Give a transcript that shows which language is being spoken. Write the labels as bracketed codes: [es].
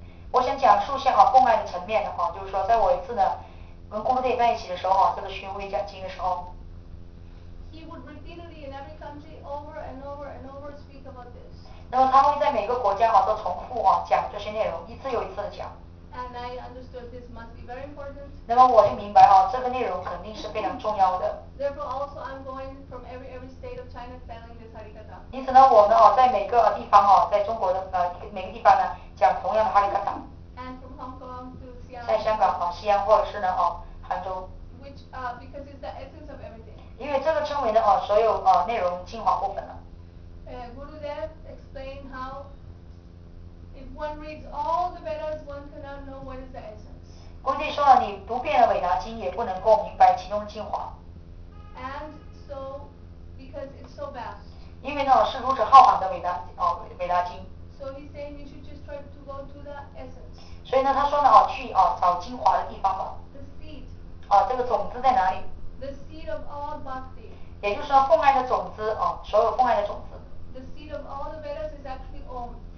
[zh] 我想讲述一下共爱的层面的就是说在我一次呢跟 Guru Dev 在一起的时候这个巡回讲经的时候。 [en] He would repeatedly in every country over and over and over speak about this. [zh] 那么他会在每个国家都重复讲这些内容，一次又一次的讲。 [en] And I understood this must be very important. [zh] 那么我就明白这个内容肯定是非常重要的。 [en] Therefore, also I'm going from every state of China telling this Harikatha. [zh] 因此呢，我们在每个地方在中国的每个地方呢讲同样的 Harikatha. [en] And from Hong Kong to Xi'an. [zh] 在香港西安或者是呢杭州。 [en] Which because it's the essence of everything. [zh] 因为这个称为呢所有内容精华部分了。 [en] Guru Dev explained how. If one reads all the Vedas, one cannot know what is the essence. [zh] 公弟说了，你读遍了《韦达经》，也不能够明白其中精华。 [en] And so, because it's so vast. [zh] 因为呢是如此浩瀚的韦达经。 [en] So he's saying you should just try to go to the essence. [zh] 所以呢，他说呢，去找精华的地方吧。 [en] The seed. [zh] 这个种子在哪里 [en] ？The seed of all bhakti. [zh] 也就是说，奉爱的种子所有奉爱的种子。 [en] The seed of all the Vedas is actually Om.